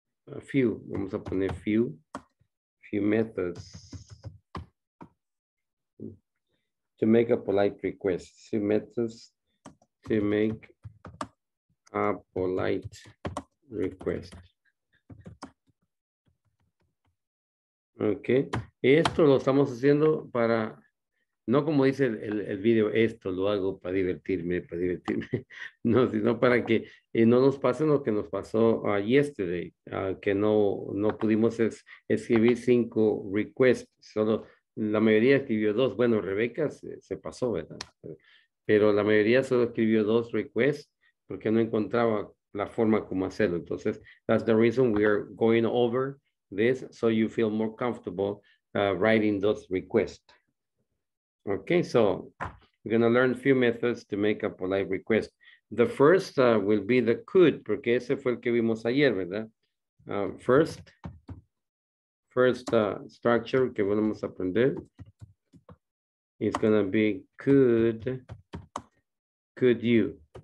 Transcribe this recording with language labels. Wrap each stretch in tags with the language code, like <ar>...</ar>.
<en>A few,</en> <es>vamos a poner</es> <en>few methods to make a polite request. Few methods to make a polite request.</en> <es>Okay, esto lo estamos haciendo para, no como dice el video, esto lo hago para divertirme. No, sino para que no nos pase lo que nos pasó</es> <en>yesterday,</en> <es>que no pudimos escribir 5 requests. Solo la mayoría escribió 2. Bueno, Rebeca se pasó, ¿verdad? Pero la mayoría solo escribió 2 requests porque no encontraba la forma como hacerlo.</es> <en>Entonces, that's the reason we are going over this so you feel more comfortable writing those requests. Okay, so we're going to learn a few methods to make a polite request. The first will be the could,</en> <es>porque ese fue el que vimos ayer, ¿verdad?</es> <en>First structure</en> <es>que vamos a aprender</es> <en>is going to be could you.</en>